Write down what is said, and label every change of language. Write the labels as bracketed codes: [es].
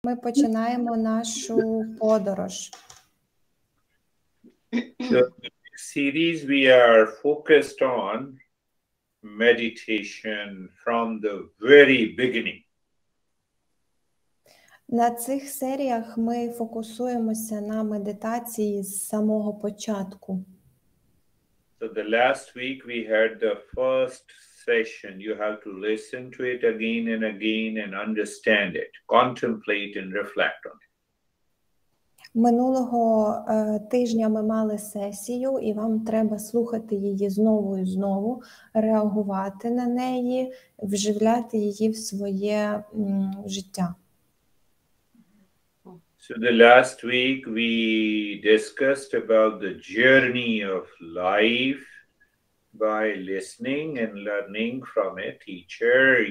[uk] Ми починаємо нашу подорож. [en] So in this series we are focused on meditation from the very beginning. [uk] На цих серіях ми фокусуємося на медитації з самого початку. [en] So the last week we had the first session. You have to listen to it again and understand it, contemplate and reflect on it. [uk] Минулого тижня ми мали сесію, і вам треба слухати її знову і знову, реагувати на неї, вживляти її в своє життя. [en] So the last week we discussed about the journey of life by listening and learning from a teacher.